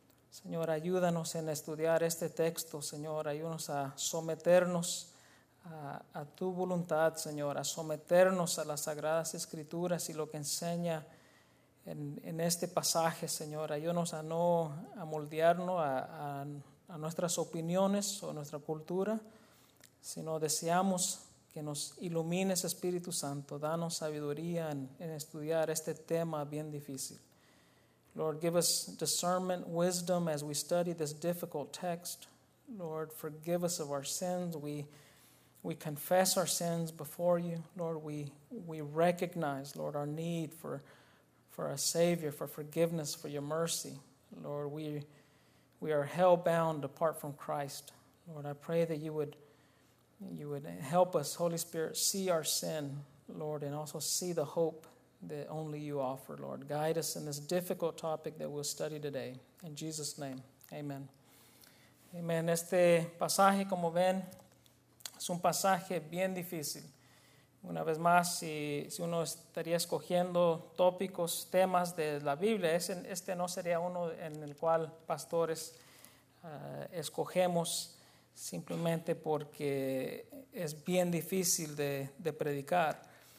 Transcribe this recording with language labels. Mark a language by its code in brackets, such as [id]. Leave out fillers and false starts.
[es] Señor, ayúdanos en estudiar este texto, Señor. Ayúdanos a someternos a tu voluntad, Señor, a someternos a las Sagradas Escrituras y lo que enseña en este pasaje, Señor. Ayúdanos a no amoldearnos a nuestras opiniones o nuestra cultura, sino deseamos que nos ilumines, Espíritu Santo. Danos sabiduría en estudiar este tema bien difícil. [en] Lord, give us discernment, wisdom as we study this difficult text. Lord, forgive us of our sins. We confess our sins before you. Lord, we recognize, Lord, our need for a Savior, for forgiveness, for your mercy. Lord, we are hell-bound apart from Christ. Lord, I pray that you would help us, Holy Spirit, see our sin, Lord, and also see the hope that only you offer, Lord. Guide us in this difficult topic that we'll study today. In Jesus' name, amen. Amen. [es] Este pasaje, como ven, es un pasaje bien difícil. Una vez más, si uno estaría escogiendo tópicos, temas de la Biblia, este no sería uno en el cual pastores escogemos simplemente porque es bien difícil de predicar.